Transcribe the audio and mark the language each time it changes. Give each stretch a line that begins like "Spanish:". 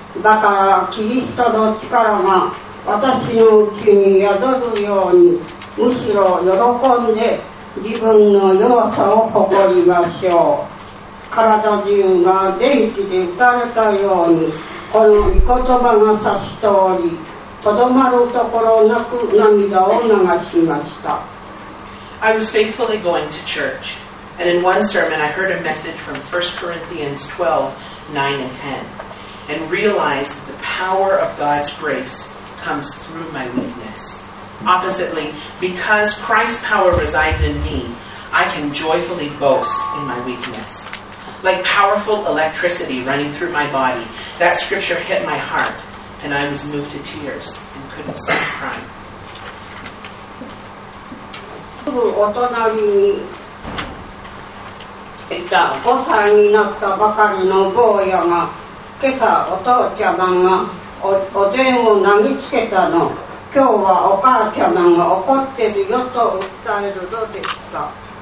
Japanese: だから、キリストの力が私のうちに宿るように、むしろ喜んで自分の弱さを誇りましょう。体中が電気で打たれたように、この御言葉が差し通り、とどまるところなく涙を流しました。
English: I was faithfully going to church, and in one sermon I heard a message from 1 Corinthians 12, 9 and 10, and realized that the power of God's grace comes through my weakness. Oppositely, because Christ's power resides in me, I can joyfully boast in my weakness. Like powerful electricity running through my body, that scripture hit my heart, and I was moved to tears and couldn't stop crying.
Japanese: すぐお隣にいた5歳になったばかりの坊やが、今朝お父ちゃまが おでんを投げつけたの。今日はお母ちゃまが怒ってるよと訴えるのでした。